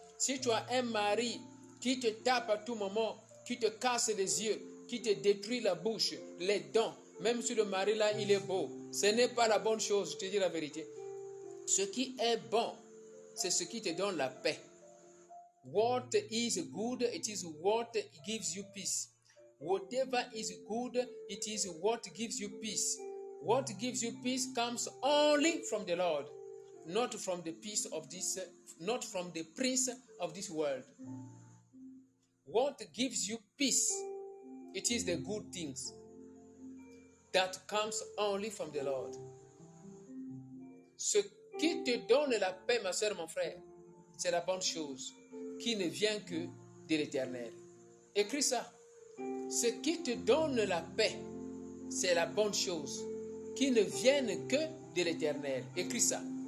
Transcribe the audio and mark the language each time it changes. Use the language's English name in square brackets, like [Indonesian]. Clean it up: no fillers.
[French] Si tu as un mari qui te tape à tout moment, qui te casse les yeux, qui te détruit la bouche, les dents, même si le mari là, il est beau, ce n'est pas la bonne chose, je te dis la vérité. Ce qui est bon, c'est ce qui te donne la paix. [English] What is good, it is what gives you peace. Whatever is good, it is what gives you peace. What gives you peace comes only from the Lord, not from the peace of this, not from the prince of this world. What gives you peace? It is the good things that comes only from the Lord. [French] Ce qui te donne la paix, ma soeur, mon frère, c'est la bonne chose qui ne vient que de l'Éternel. Écris ça. Ce qui te donne la paix, c'est la bonne chose qui ne viennent que de l'Éternel. Écris ça.